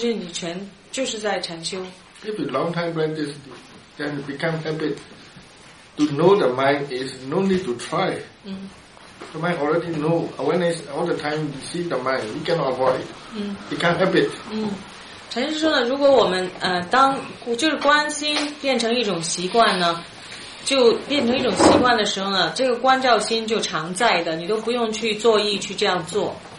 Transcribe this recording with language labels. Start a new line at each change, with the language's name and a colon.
Chinese: 如果一个人呢，能经常觉知自己的心呢，如果我们的心是觉知自己的心呢，其实你做什么的时候呢，你都在禅修，因为无论我们的身形和口业，都是心领先的，讲的话、做的事、做生意这些都是我们的心带领。如果你觉知的心呢，其实你全就是在禅修。
English: If a long time practice, then become habit. To know the mind is no need to try. The mind already know. Awareness all the time, you see the mind, you cannot avoid. Become habit.
Chinese: 陈师说呢，如果我们当就是观心变成一种习惯呢，就变成一种习惯的时候呢，这个观照心就常在的，你都不用去做意去这样做。